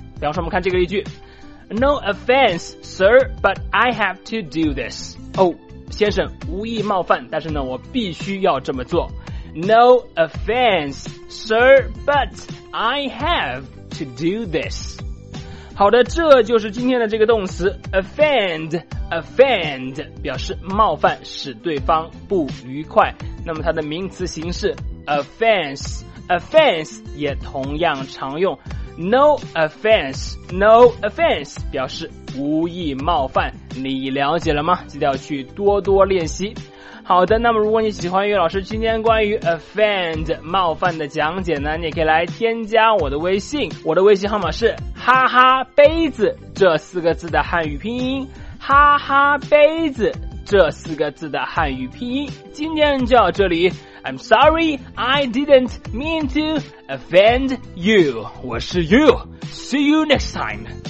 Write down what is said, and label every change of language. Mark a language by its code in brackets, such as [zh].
[zh] 比方说我们看这个例句， [en] No offense, sir, but I have to do this。 [zh] 先生，无意冒犯，但是呢，我必须要这么做。 [en] No offense, sir, but I have to do this。 [zh] 好的，这就是今天的这个动词 offend 表示冒犯，使对方不愉快。那么它的名词形式 offense 也同样常用。 No offense 表示无意冒犯，你了解了吗？记得要去多多练习。好的，那么如果你喜欢于老师今天关于 offend 冒犯的讲解呢，你可以来添加我的微信，我的微信号码是哈哈杯子这四个字的汉语拼音，哈哈杯子这四个字的汉语拼音。今天就到这里， [en] I'm sorry, I didn't mean to offend you。 [zh] 我是 [en] You, see you next time。